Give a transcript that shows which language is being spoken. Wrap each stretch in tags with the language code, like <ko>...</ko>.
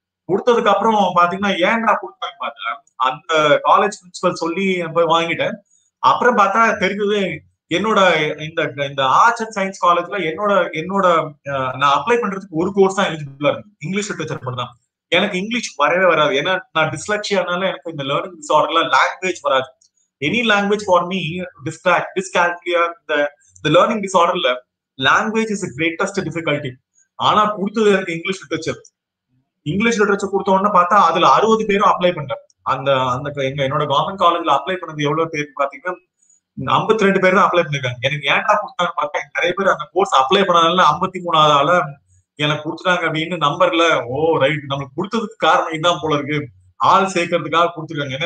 <ta>கொடுத்ததுக்கு அப்புறம் பாத்தீங்கன்னா ஏன்டா கொடுத்தாங்க பாத்தா அந்த காலேஜ் பிரின்சிபல் சொல்லி போய் வாங்கிட்டேன். அப்புறம் பார்த்தா தெரிஞ்சது என்னோட இந்த ஆர்ட்ஸ் அண்ட் சயின்ஸ் காலேஜ்ல என்னோட நான் அப்ளை பண்றதுக்கு ஒரு கோர்ஸ் தான் எலிஜிபிளா இருக்கு இங்கிலீஷ் லிட்ரேச்சர் மட்டும்தான். எனக்கு இங்கிலீஷ் வரவே வராது ஏன்னா நான் டிஸ்லெக்சியானால எனக்கு இந்த லேர்னிங் டிஸார்டர்லாம் லாங்குவேஜ் வராது.</ta> <en>Any language for me, dyscalculia, the learning disorder, language is the greatest difficulty.</en> <ta>ஆனா கொடுத்தது எனக்கு இங்கிலீஷ் லிட்ரேச்சர். இங்கிலீஷ் லிட்ரேச்சர் கொடுத்த உடனே பார்த்தா அதுல 60 பேரும் அப்ளை பண்றேன். அந்த அந்த என்னோட கவர்மெண்ட் காலேஜ்ல அப்ளை பண்ணது எவ்வளவு பேர் பாத்தீங்கன்னா 52 பேர் தான் அப்ளை பண்ணிருக்காங்க. எனக்கு ஏன்டா கொடுத்தாங்கன்னு பார்த்தா நிறைய பேர் அந்த கோர்ஸ் அப்ளை பண்ணதுனால 53 ஆள எனக்கு கொடுத்துட்டாங்க அப்படின்னு நம்பர்ல ஓ ரைட் நம்மளுக்கு கொடுத்ததுக்கு காரணம் இதுதான் போல இருக்கு ஆள் சேர்க்கறதுக்காக கொடுத்துருக்காங்க.</ta>